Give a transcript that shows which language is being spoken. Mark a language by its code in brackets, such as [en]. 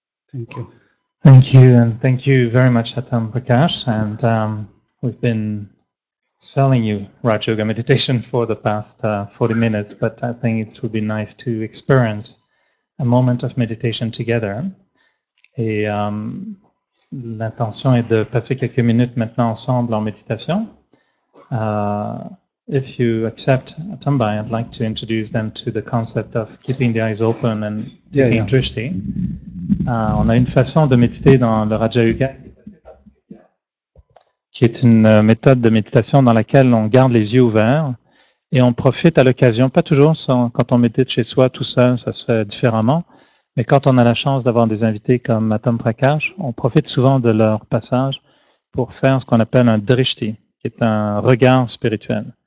[en] Thank you. Thank you, and thank you very much, Atam Prakash. And we've been selling you Raja Yoga meditation for the past 40 minutes, but I think it would be nice to experience a moment of meditation together. [fr] Et l'intention est de passer quelques minutes maintenant ensemble en méditation. [en] If you accept, Atambai, I'd like to introduce them to the concept of keeping the eyes open and taking drishti. [fr] On a une façon de méditer dans le Raja Yoga qui est une méthode de méditation dans laquelle on garde les yeux ouverts et on profite à l'occasion, pas toujours sans, quand on médite chez soi tout seul, ça se fait différemment. Mais quand on a la chance d'avoir des invités comme Atam Prakash, on profite souvent de leur passage pour faire ce qu'on appelle un drishti, qui est un regard spirituel.